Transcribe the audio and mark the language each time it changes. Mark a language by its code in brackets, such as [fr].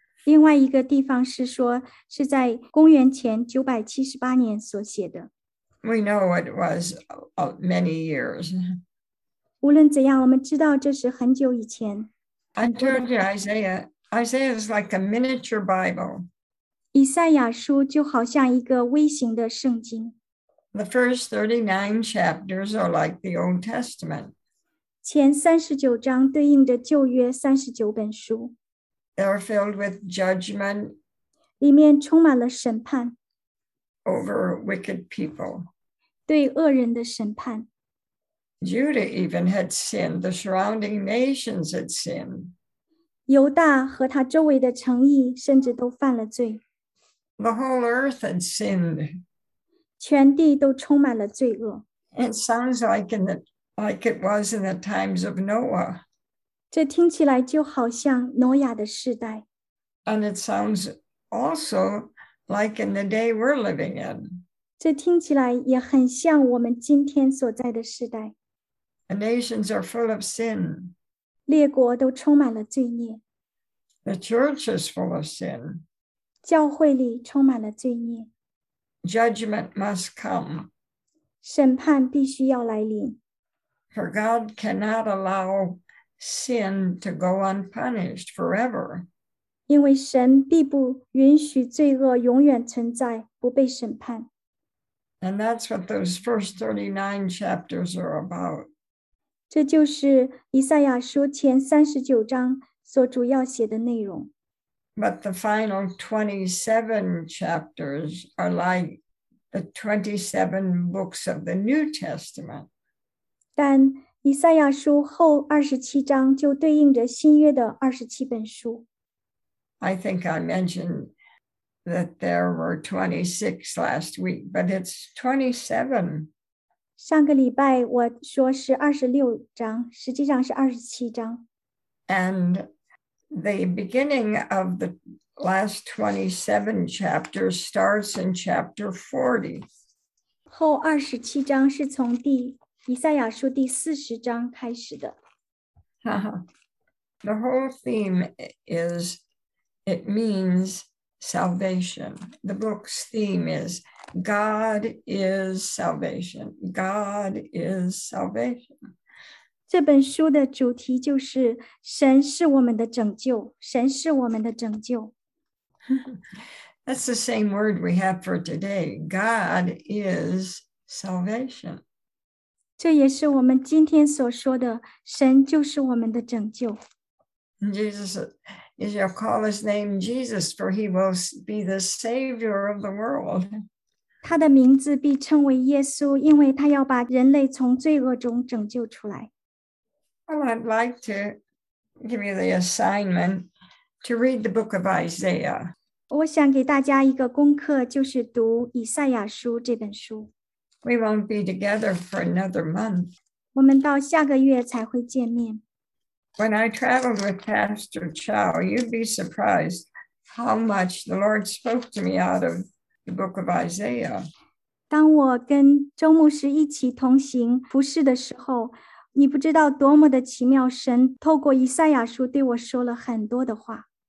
[zh] 另外一个地方是说是在公元前978年所写的。 [en] We know it was many years. [zh] 无论怎样，我们知道这是很久以前。 [en] I told you Isaiah is like a miniature Bible. [zh] 以赛亚书就好像一个微型的圣经。 [en] The first 39 chapters are like the Old Testament. [zh] 前39章对应着旧约39本书。 [en] They are filled with judgment. [zh] 里面充满了审判。 [en] Over wicked people. [zh] 对恶人的审判。 [en] Judah even had sinned. The surrounding nations had sinned. [zh] 犹大和他周围的城邑甚至都犯了罪。 [en] The whole earth had sinned. [zh] 全地都充满了罪恶。 [en] It sounds like it was in the times of Noah. [zh] 这听起来就好像挪亚的时代。 [en] And it sounds also like in the day we're living in. [zh] 这听起来也很像我们今天所在的时代。 [en] The nations are full of sin. [zh] 列国都充满了罪孽。 [en] The church is full of sin. [zh] 教会里充满了罪孽。 [en] Judgment must come. [zh] 审判必须要来临。 [en] For God cannot allow sin to go unpunished forever. [zh] 因为神必不允许罪恶永远存在，不被审判。 [en] And that's what those first 39 chapters are about. [zh] 这就是以赛亚书前39章所主要写的内容。 [en] But the final 27 chapters are like the 27 books of the New Testament. [zh] 但以赛亚书后27章就对应着新约的27本书。 [en] I think I mentioned that there were 26 last week, but it's 27. [zh] 上个礼拜我说是26章，实际上是27章。 [en] And the beginning of the last 27 chapters starts in chapter 40. [zh] 后27章是从第以赛亚书第40章开始的。 [en] The whole theme is it means salvation. The book's theme is God is salvation. God is salvation. [zh] 这本书的主题就是神是我们的拯救，神是我们的拯救。 [en] That's the same word we have for today. God is salvation. [zh] 这也是我们今天所说的，神就是我们的拯救。 [en] Jesus is He shall call his name Jesus, for he will be the Savior of the world. [zh] 他的名字必称为耶稣，因为他要把人类从罪恶中拯救出来。 [en] Well, I'd like to give you the assignment to read the book of Isaiah. [zh] 我想给大家一个功课，就是读以赛亚书这本书。 [en] We won't be together for another month. [zh] 我们到下个月才会见面。 [en] When I traveled with Pastor Chow, you'd be surprised how much the Lord spoke to me out of the book of Isaiah. [zh] 当我跟周牧师一起同行服事的时候，你不知道多么的奇妙，神透过以赛亚书对我说了很多的话。